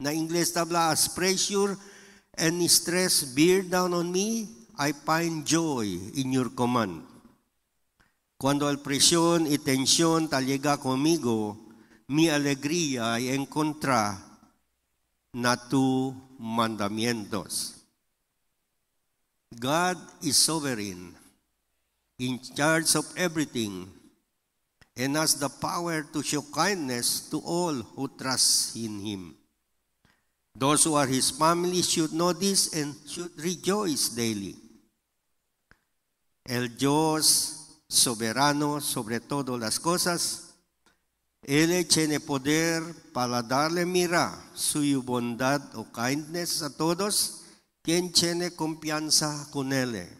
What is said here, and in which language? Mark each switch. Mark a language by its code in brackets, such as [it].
[cbk] Na inglés habla, [en] as pressure and stress bear down on me, I find joy in your command. [cbk] Cuando la presión y tensión tal llega conmigo, mi alegría y encontra na tu mandamientos. [en] God is sovereign, in charge of everything, and has the power to show kindness to all who trust in Him. Those who are His family should know this and should rejoice daily. [cbk] El Dios soberano sobre todas las cosas, Él tiene poder para darle mira su bondad o kindness a todos quien tiene confianza con Él.